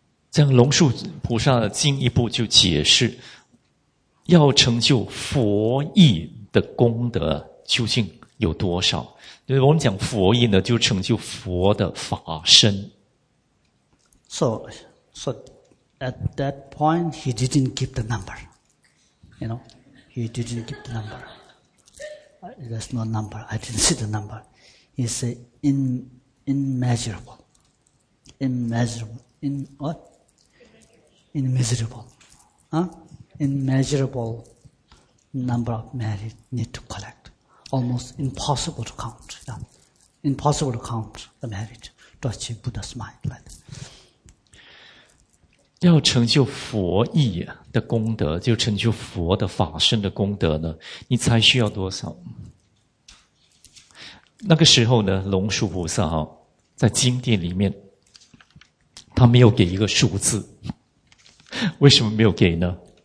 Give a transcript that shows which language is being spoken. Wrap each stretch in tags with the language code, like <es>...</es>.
<zh>这样龙树菩萨进一步就解释，要成就佛意的功德究竟有多少。对，我们讲佛意呢，就成就佛的法身。</zh> <en>So at that point, he didn't give the number. You know, he didn't give the number. There's no number. I didn't see the number. He said immeasurable number of merit need to collect. Almost impossible to count. Yeah. Impossible to count the merit to achieve Buddha's mind. Like,</en> <zh>要成就佛意的功德，就成就佛的法身的功德呢？你才需要多少？那个时候呢，龙树菩萨哈，在经典里面，他没有给一个数字。为什么没有给呢？</zh>